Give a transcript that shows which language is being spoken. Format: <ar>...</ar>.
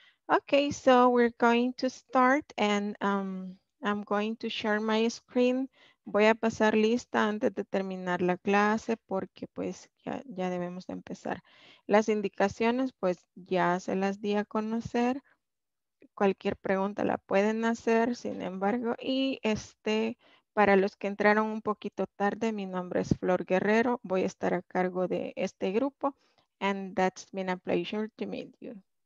<en>Okay, so we're going to start and I'm going to share my screen.</en> <es>Voy a pasar lista antes de terminar la clase porque pues ya debemos de empezar. Las indicaciones pues ya se las di a conocer. Cualquier pregunta la pueden hacer, sin embargo, y para los que entraron un poquito tarde, mi nombre es Flor Guerrero. Voy a estar a cargo de este grupo.</es> <en>And that's been a pleasure to meet you.</en>